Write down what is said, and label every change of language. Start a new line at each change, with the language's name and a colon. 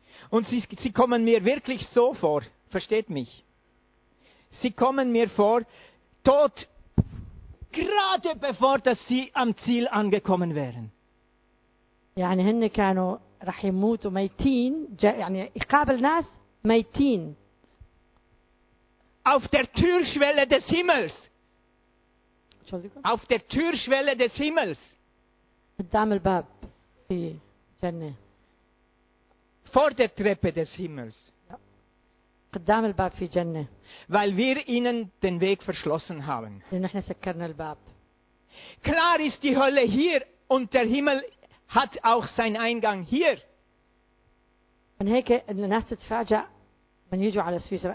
German: Und sie kommen mir wirklich so vor. Versteht mich. Sie kommen mir vor, tot, gerade bevor, dass sie am Ziel angekommen wären.
Arabic: يعني هن كانوا رح يموتوا ميتين يعني يقابل ناس ميتين
German: auf der Türschwelle des Himmels auf der Türschwelle des Himmels
Arabic: قدام الباب في الجنة
German: vor der Treppe des Himmels
Arabic: قدام الباب في الجنة
German: weil wir ihnen den Weg verschlossen haben
Arabic: لأن احنا سكرنا الباب
German: klar ist die Hölle hier und der Himmel hat auch seinen Eingang hier.
Arabic: Und هيك الناس تتفاجأ من يجوا على سويسرا.